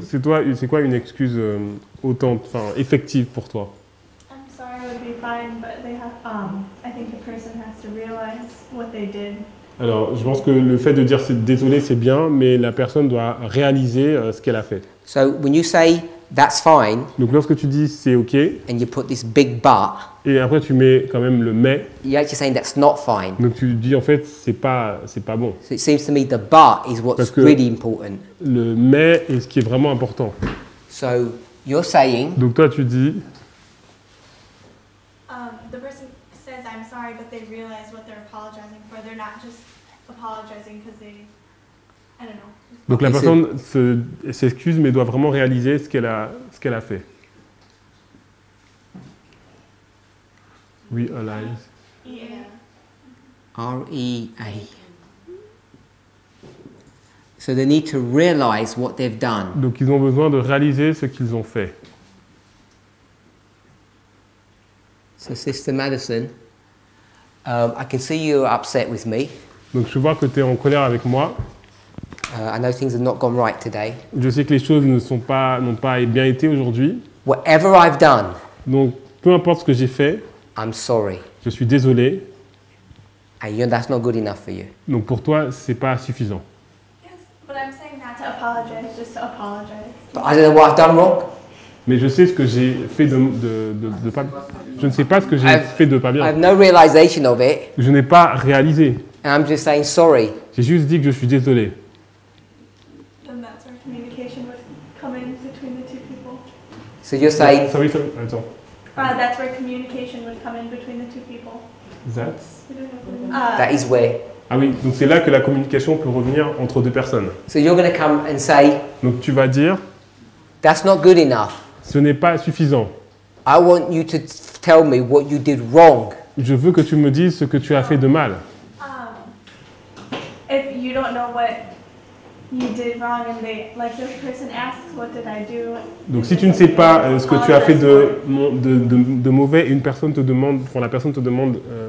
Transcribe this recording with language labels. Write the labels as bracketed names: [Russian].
[French] Donc, c'est quoi une excuse effective pour toi? [English] I'm sorry, it would be fine, but they have. I think the person has to realize what they did. [French] Alors, je pense que le fait de dire c'est désolé, c'est bien, mais la personne doit réaliser ce qu'elle a fait. [English] So when you say that's fine. [French] Donc lorsque tu dis c'est ok. [English] And you put this big but. [French] Et après tu mets quand même le mais. [English] You're actually saying that's not fine. [French] Donc tu dis en fait c'est pas bon. [English] So it seems to me the but is what's really important. [French] Le mais est ce qui est vraiment important. [English] So you're saying. [French] Donc toi tu dis. [English] The person says I'm sorry, but they realize what they're apologizing for. They're not just apologizing because they, I don't know. [French] Donc la personne s'excuse mais doit vraiment réaliser ce qu'elle a fait. [English] Realize. Yeah. R-E-A. So they need to realize what they've done. [French] Donc ils ont besoin de réaliser ce qu'ils ont fait. [English] So Sister Madison, I can see you upset with me. [French] Donc je vois que tu es en colère avec moi. [English] I know things have not gone right today. [French] Je sais que les choses n'ont pas bien été aujourd'hui. [English] Whatever I've done. [French] Donc peu importe ce que j'ai fait. [English] I'm sorry. [French] Je suis désolé. [English] And you, that's not good enough for you. [French] Donc pour toi, c'est pas suffisant. [English] But I'm saying that to apologize, just to apologize. But I don't know what I've done wrong. [French] Mais je sais ce que j'ai fait de pas. Je ne sais pas ce que j'ai fait de pas bien. [English] I have no realization of it. [French] Je n'ai pas réalisé. [English] And I'm just saying sorry. [French] J'ai juste dit que je suis désolé. [English] And that's where communication would come in between the two people. So you're saying. Sorry. That's where communication would come in between the two people. That's. That is where. [French] Ah oui, donc c'est là que la communication peut revenir entre deux personnes. [English] So you're going to come and say, [French] donc tu vas dire, [English] that's not good enough. [French] Ce n'est pas suffisant. [English] I want you to tell me what you did wrong. [French] Je veux que tu me dises ce que tu as fait de mal. [English] If you don't know what you did wrong and they, like this person asks, what did I do? [French] Donc si tu ne sais pas ce que tu as fait de mauvais, une personne te demande, enfin la personne te demande.